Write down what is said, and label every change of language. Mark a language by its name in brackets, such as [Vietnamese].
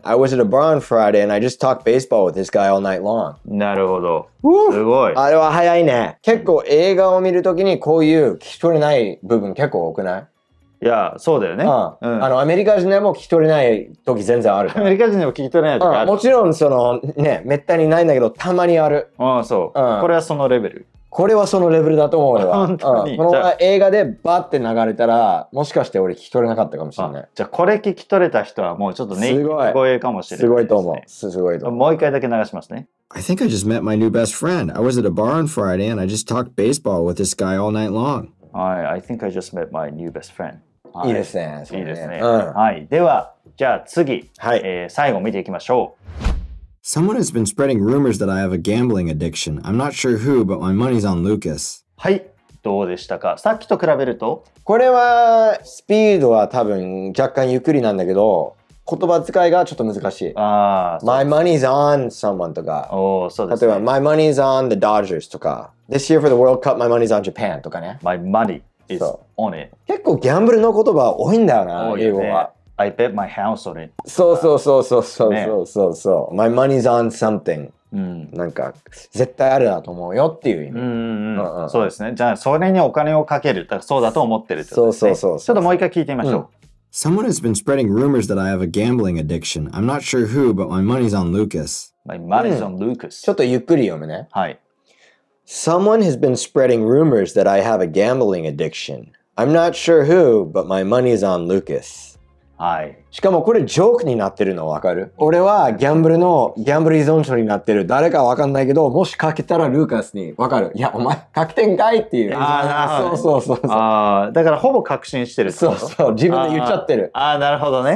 [English] I was at a bar on Friday and I just talked baseball with this guy all night long. [Japanese] なるほど。すごい。あれは早いね。結構映画を見るときにこういう聞き取れない部分結構多くない？いや、そうだよね。うん。アメリカ人でも聞き取れないとき全然ある。アメリカ人でも聞き取れないとき、うん、もちろん、ね、めったにないんだけど、たまにある。ああ、そう、うん。これはそのレベル。これはそのレベルだと思う俺は。本当に、うん、この映画でバッて流れたら、もしかして俺聞き取れなかったかもしれない。じゃあこれ聞き取れた人はもうちょっとネイティブ声かもしれない、ね。すごいと思う。すごいと思う。もう一回だけ流しますね。 [English] I think I just met my new best friend. I was at a bar on Friday and I just talked baseball with this guy all night long. I think I just met my new best friend. [Japanese] いいですね。いいですね。はい。では、じゃあ次、はい、最後見ていきましょう。 [English] Someone has been spreading rumors that I have a gambling addiction. I'm not sure who, but my money's on Lucas. [Japanese] はい、どうでしたか？さっきと比べると？これはスピードは多分若干ゆっくりなんだけど、言葉遣いがちょっと難しい。ああ、 [English] My money's on someone とか。 [Japanese] おお、そうですね。例えば、 [English] My money's on the Dodgers とか、This year for the World Cup, my money's on Japan とかね。 My money is on it。 [Japanese] 結構ギャンブルの言葉多いんだよな、多いよね、英語は。 [English] I bet my house on it. [Japanese] そうそうそうそうそうそうそうそう。 [English] ね、my money's on something.、 [Japanese] うん、なんか絶対あるだと思うよっていう意味。うんうんうん、そうですね。じゃあそれにお金をかける、だからそうだと思ってるってことですね。そう。ちょっともう一回聞いてみましょう。うん、 [English] Someone has been spreading rumors that I have a gambling addiction. I'm not sure who, but my money's on Lucas. My money's on Lucas.、 [Japanese] うん、ちょっとゆっくり読むね。はい。 [English] Someone has been spreading rumors that I have a gambling addiction. I'm not sure who, but my money's on Lucas. [Japanese] はい、しかもこれジョークになってるの分かる？俺はギャンブル依存症になってる、誰か分かんないけど、もしかけたらルーカスに分かる、いやお前確定かいっていう。ああ、そうそうそうそう、あ、だからほぼ確信してるって、そうそう、自分で言っちゃってる。ああ、なるほどね。